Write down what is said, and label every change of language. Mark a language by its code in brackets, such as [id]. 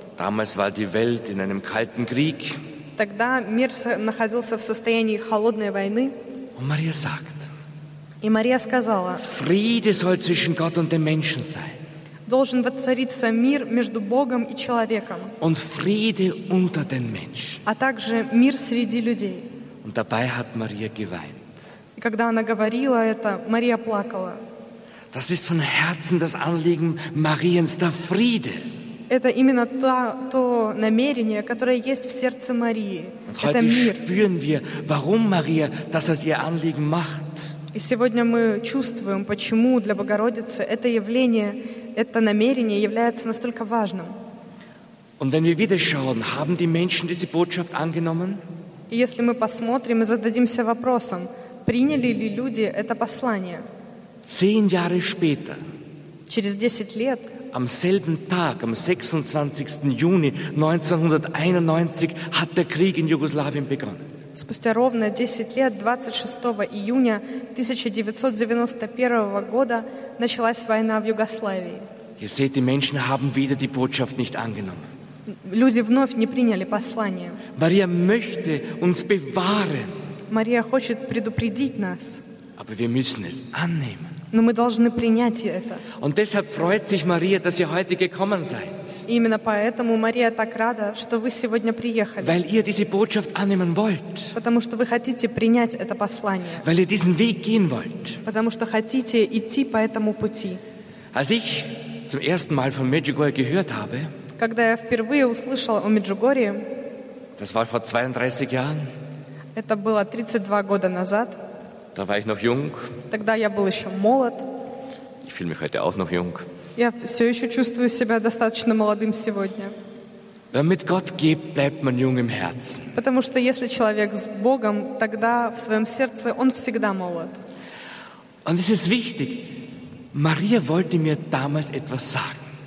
[de] Damals war die Welt in einem kalten Krieg. [ru] Тогда мир находился в состоянии холодной войны. [de] Und Maria sagt. [ru] И Мария сказала. [de] Friede soll zwischen Gott und den Menschen sein. [ru] Должен воцариться мир между Богом и человеком. [de] Und Friede unter den Menschen. [ru] А также мир среди людей. [de] Und dabei hat Maria geweint. [ru] И когда она говорила это, Мария плакала. [de] Das ist von Herzen das Anliegen Mariens, der Friede. [ru] Это именно то намерение, которое есть в сердце Марии. Это мир. [de] Spüren wir, warum Maria das als ihr Anliegen macht. [ru] И сегодня мы чувствуем, почему для Богородицы это явление, это намерение является настолько важным. [de] Und wenn wir wieder schauen, haben die Menschen diese Botschaft angenommen? [ru] И если мы посмотрим и зададимся вопросом, приняли ли люди это послание? [de] 10 Jahre später. [ru] Через 10 лет. [de] Am selben Tag, am 26. Juni 1991, hat der Krieg in Jugoslawien begonnen. [ru] Спустя ровно 10 лет, 26 июня 1991 года, началась война в Югославии. [de] Ihr seht, die Menschen haben wieder die Botschaft nicht angenommen. [ru] Люди вновь не приняли послание. [de] Maria möchte uns bewahren. [ru] Мария хочет предупредить нас. [de] Aber wir müssen es annehmen. [ru] Но мы должны принять это. [de] Und deshalb freut sich Maria, dass ihr heute gekommen seid. [ru] Именно поэтому Мария так рада, что вы сегодня приехали. [de] Weil ihr diese Botschaft annehmen wollt. [ru] Потому что вы хотите принять это послание. [de] Weil ihr diesen Weg gehen wollt. [ru] Потому что хотите идти по этому пути. [de] Als ich zum ersten Mal von Medjugorje gehört habe, [ru] когда я впервые услышала о Меджугорье, [de] das war vor 32 Jahren, [ru] это было 32 года назад, [de] da war ich noch jung, [ru] тогда я был еще молод, [de] ich fühle mich heute auch noch jung, [ru] я все еще чувствую себя достаточно молодым сегодня. [de] Wenn mit Gott geht, bleibt man jung im Herzen. [ru] Потому что если человек с Богом, тогда в своем сердце он всегда молод. [de] Und es ist wichtig, Maria wollte mir damals etwas sagen.